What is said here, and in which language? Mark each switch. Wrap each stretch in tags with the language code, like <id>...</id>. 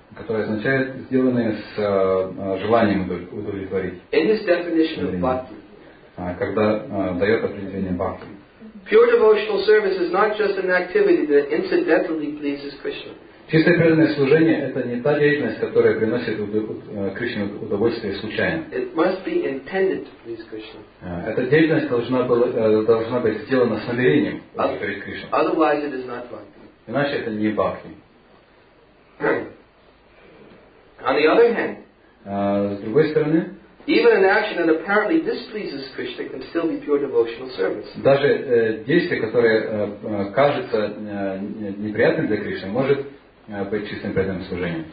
<ru>Которое означает сделанное с желанием удовлетворить.</ru> <en>In this definition of bhakti.</en> <ru>Когда дает определение бхакти.</ru> <en>Pure devotional service is not just an activity that incidentally pleases Krishna.</en> <ru>Чистое преданное служение это не та деятельность, которая приносит Кришне удовольствие случайно.</ru> <en>It must be intended to please Krishna.</en> <ru>Эта деятельность должна быть сделана с намерением удовлетворить Кришну.</ru> <en>Otherwise it is not bhakti.</en> <ru>Иначе это не бхакти.</ru> <en>On the other hand,</en> <ru>с другой стороны,</ru> <en>even an action that apparently displeases Krishna can still be pure devotional service.</en> <ru>Даже действие, которое кажется неприятным для Кришны, может быть чистым преданным служением.</ru>